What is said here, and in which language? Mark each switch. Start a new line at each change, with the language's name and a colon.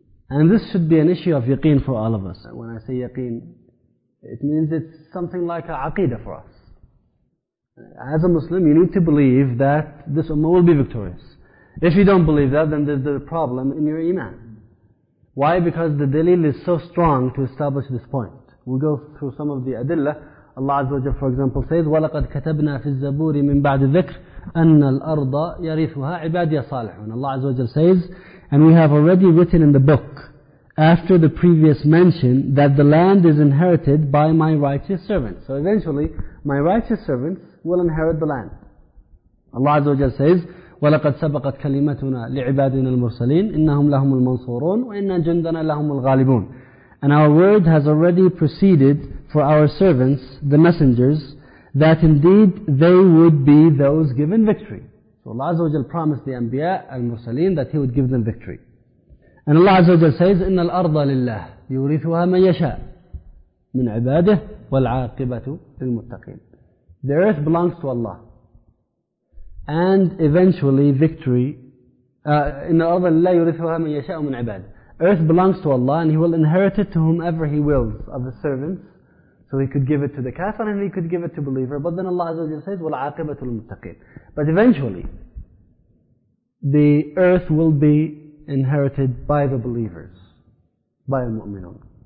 English: And this should be an issue of yaqeen for all of us. When I say yaqeen, it means it's something like a aqidah for us. As a Muslim, you need to believe that this ummah will be victorious. If you don't believe that, then there's the problem in your iman. Why? Because the dalil is so strong to establish this point. We'll go through some of the adilla. Allah Azza wa Jalla, for example, says,
Arabic: وَلَقَدْ كَتَبْنَا فِي الزَّبُورِ مِنْ بَعْدِ ذِكْرِ أَنَّ الْأَرْضَ يَرِثُهَا عِبَادِيَ صَالِحُونَ.
English: Allah Azza wa Jalla says, and we have already written in the book, after the previous mention, that the land is inherited by my righteous servants. So eventually, my righteous servants will inherit the land. Allah Azza wa Jalla says,
Arabic: وَلَقَدْ سَبَقَتْ كَلِمَتُنَا لِعِبَادِنَا الْمُرْسَلِينَ إِنَّهُمْ لَهُمُ الْمَنْصُورُونَ وَإِنَّ جُنْدَنَا لَهُمُ الْغَالِبُونَ.
English: And our word has already proceeded for our servants, the messengers, that indeed they would be those given victory. So Allah Azza wa Jal promised the Anbiya al-Mursaleen that He would give them victory. And Allah Azza wa Jal says,
Arabic: إِنَّ الْأَرْضَ لِلَّهِ يُورِثُهَا مَنْ يَشَاءُ مِنْ عِبَادِهِ وَالْعَاقِبَةُ لِلْمُتَّقِينَ.
English: The earth belongs to Allah. And eventually victory,
Arabic: إِنَّ الْأَرْضَ لِلَّهِ يُرِثُهَا مَنْ يَشَاءُ مِنْ عِبَادِ.
English: Earth belongs to Allah and He will inherit it to whomever He wills of His servants. So He could give it to the kafir and He could give it to believer. But then Allah Azza wa Jalla says,
Arabic: وَالْعَاقِبَةُ لِلْمُتَّقِينَ.
English: But eventually, the earth will be inherited by the believers, by المؤمنون.